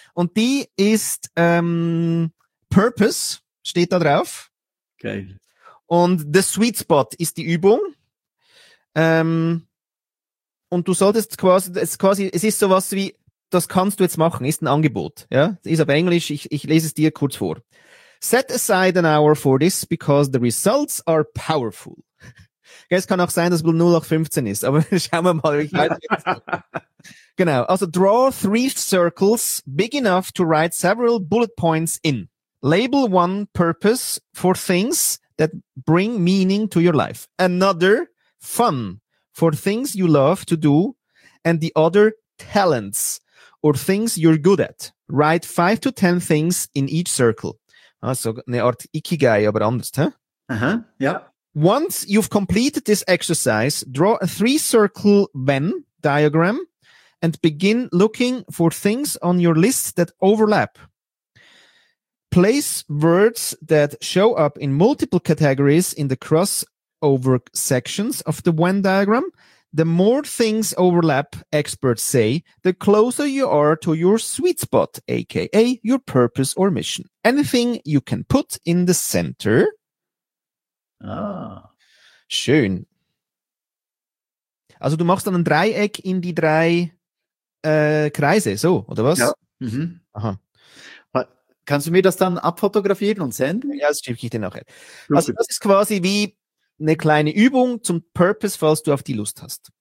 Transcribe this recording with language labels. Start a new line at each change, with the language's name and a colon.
German: Und die ist Purpose, steht da drauf. Okay. Und The Sweet Spot ist die Übung. Und du solltest quasi, es ist sowas wie, das kannst du jetzt machen, ist ein Angebot. Ja, ist auf Englisch, ich lese es dir kurz vor.
English: Set aside an hour for this, because the results are powerful.
German: Es kann auch sein, dass es 0815 ist, aber schauen wir mal. Ich weiß jetzt. Genau, also
English: draw 3 circles big enough to write several bullet points in. Label one purpose for things that bring meaning to your life. Another fun for things you love to do. And the other talents or things you're good at. Write 5 to 10 things in each circle.
German: Also eine Art Ikigai, aber anders, hä? Aha, ja.
English: Once you've completed this exercise, draw a 3-circle Venn diagram and begin looking for things on your list that overlap. Place words that show up in multiple categories in the crossover sections of the Venn diagram. The more things overlap, experts say, the closer you are to your sweet spot, aka your purpose or mission. Anything you can put in the center. Ah.
German: Schön. Also du machst dann ein Dreieck in die drei Kreise, so, oder was? Ja. Mhm. Aha. Kannst du mir das dann abfotografieren und senden? Ja, das schicke ich dir nachher. Super. Also das ist quasi wie eine kleine Übung zum Purpose, falls du auf die Lust hast.